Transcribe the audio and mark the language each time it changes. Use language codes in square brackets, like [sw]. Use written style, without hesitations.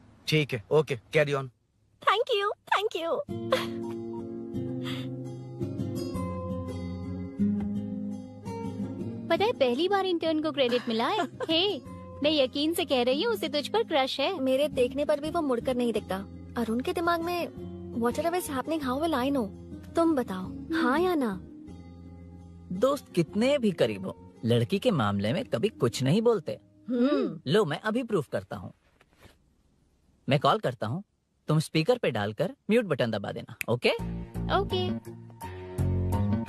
[hi] ठीक है, [en] Okay, carry on. Thank you, thank you. [hi] पता है पहली बार इंटर्न को क्रेडिट मिला है। हे, मैं यकीन से कह रही हूँ उसे तुझ पर क्रश है। मेरे देखने पर भी वो मुड़कर नहीं दिखता। अरुण के दिमाग में [en] Whatever is happening, how will I know? [hi] तुम बताओ, हाँ या ना? दोस्त कितने भी करीब हो, लड़की के मामले में कभी कुछ नहीं बोलते। लो मैं अभी प्रूफ करता हूँ। मैं कॉल करता हूँ, तुम स्पीकर पे डालकर म्यूट बटन दबा देना। [en] Okay okay.